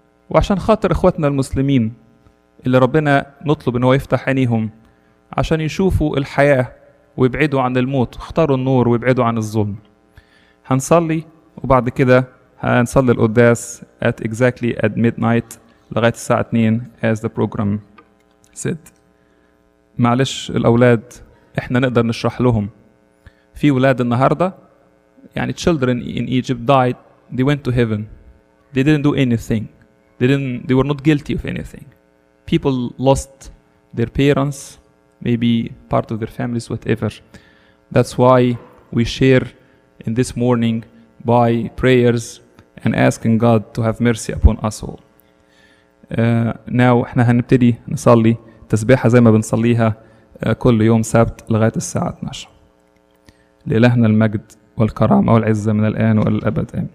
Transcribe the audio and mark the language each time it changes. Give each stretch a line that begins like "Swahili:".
Arabic: وعشان خاطر اخواتنا المسلمين اللي ربنا نطلب ان هو يفتح عينيهم عشان يشوفوا الحياة ويبعدوا عن الموت واختاروا النور ويبعدوا عن الظلم. هنصلي وبعد كده هنصلي القداس
English: at exactly at midnight
Arabic: لغاية الساعة 2
English: as the program said.
Arabic: معلش الأولاد احنا نقدر نشرح لهم. في ولاد النهاردة يعني
English: children in Egypt died, they went to heaven, they didn't do anything, they were not guilty of anything. People lost their parents, maybe part of their families, whatever. That's why we share in this morning by prayers and asking God to have mercy upon us all.
Arabic: Now احنا هنبتدي نصلي تسبيحة زي ما بنصليها كل يوم سبت لغاية الساعة 12. لإلهنا المجد والكرامة والعزة من الآن والأبد. آمين.